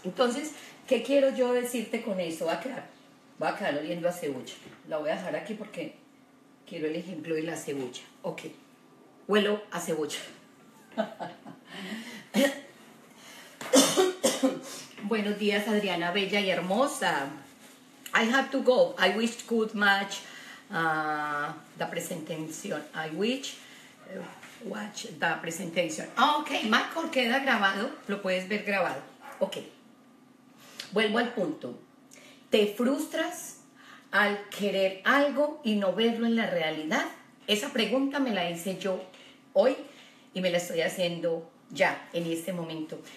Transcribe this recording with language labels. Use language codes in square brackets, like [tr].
[es] Entonces, ¿qué quiero yo decirte con esto? Va a quedar oliendo a cebolla. La voy a dejar aquí porque quiero el ejemplo de la cebolla. Ok, huelo a cebolla. Buenos días, Adriana, bella y hermosa. [en] I have to go. I wish could match the presentation. I wish... Watch the presentation. [es] Ok, Michael, queda grabado. Lo puedes ver grabado. Ok. Vuelvo al punto. ¿Te frustras al querer algo y no verlo en la realidad? Esa pregunta me la hice yo hoy y me la estoy haciendo ya, en este momento.